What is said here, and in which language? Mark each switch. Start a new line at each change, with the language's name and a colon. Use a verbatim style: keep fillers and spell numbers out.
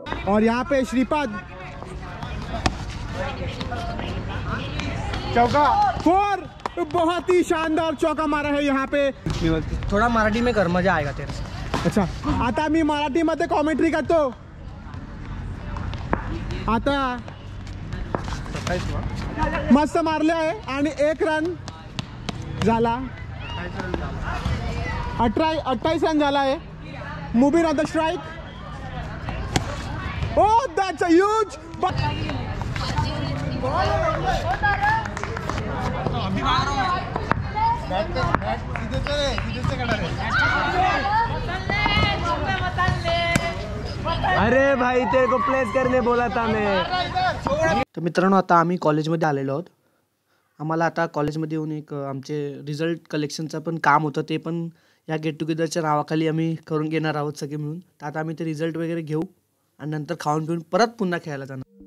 Hindi: और यहाँ पे श्रीपाद चौका फोर, बहुत ही शानदार चौका मारा है यहाँ पे. थोड़ा मराठी में कर, मजा आएगा तेरा.
Marathi: अच्छा, आता मी मराठी मध्ये कॉमेंट्री करतो. आता मस्त मारले आहे आणि एक रन झाला, अठरा अठ्ठावीस रन झाला आहे.
English: Mubeen on the strike. Oh that's a huge.
Hindi: अरे भाई, तेरे को प्लेस करने बोला था मैं.
Marathi: तर मित्रांनो, आता आम्ही कॉलेजमध्ये आलेलो आहोत. आम्हाला आता कॉलेजमध्ये येऊन एक आमचे रिझल्ट कलेक्शनचं पण काम होतं, ते पण या गेट टुगेदरच्या नावाखाली आम्ही करून घेणार आहोत सगळे मिळून. तर आता आम्ही ते रिझल्ट वगैरे घेऊ आणि नंतर खाऊन पिऊन परत पुन्हा खेळायला जाणार.